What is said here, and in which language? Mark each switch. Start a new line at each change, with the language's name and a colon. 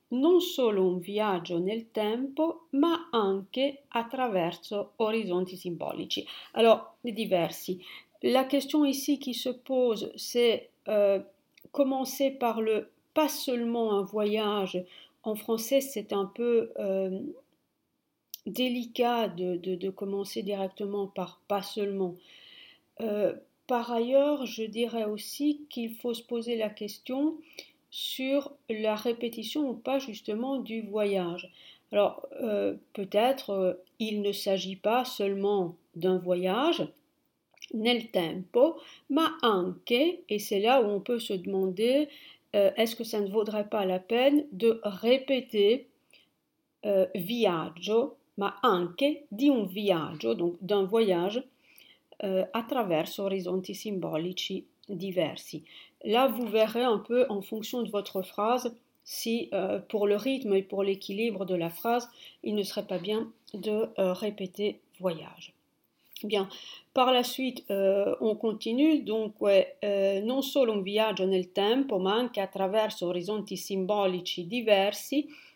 Italian: Non solo un viaggio nel tempo, ma anche attraverso orizzonti simbolici. Allora, diversi.
French: La question ici qui se pose, c'est commencer par le pas seulement un voyage. En français, c'est un peu délicat de commencer directement par pas seulement. Par ailleurs, je dirais aussi qu'il faut se poser la question sur la répétition ou pas justement du voyage. Alors, peut-être il ne s'agit pas seulement d'un voyage
Italian: nel tempo, ma anche,
French: et c'est là où on peut se demander, est-ce que ça ne vaudrait pas la peine de répéter viaggio?
Italian: Ma anche di un viaggio,
French: donc d'un voyage,
Italian: attraverso orizzonti simbolici diversi.
French: Là, vous verrez un peu en fonction de votre phrase si, pour le rythme et pour l'équilibre de la phrase, il ne serait pas bien de répéter voyage. Bien, par la suite, on continue. Donc, ouais,
Italian: non solo un viaggio nel tempo, ma anche attraverso orizzonti simbolici diversi.